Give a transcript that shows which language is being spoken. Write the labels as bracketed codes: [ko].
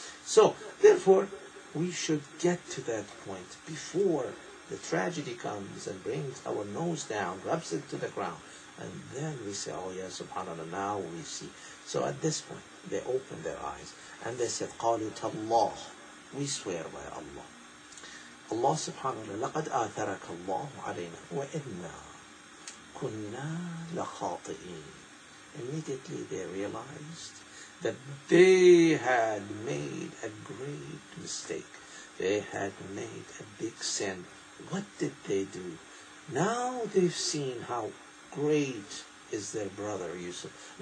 [en] So, therefore, we should get to that point before the tragedy comes and brings our nose down, grabs it to the ground, and then we say, oh yes, subhanAllah, now we see. So at this point, they open their eyes, and they said, [ar] قَالُوا تَاللَّهُ, [en] we swear by Allah. [ar] Allah subhanAllah, لَقَدْ آثَرَكَ اللَّهُ عَلَيْنَا وَإِنَّا كُنَّا لَخَاطِئِينَ. [en] Immediately they realized that they had made a great mistake. They had made a big sin. What did they do? Now they've seen how great is their brother Yusuf.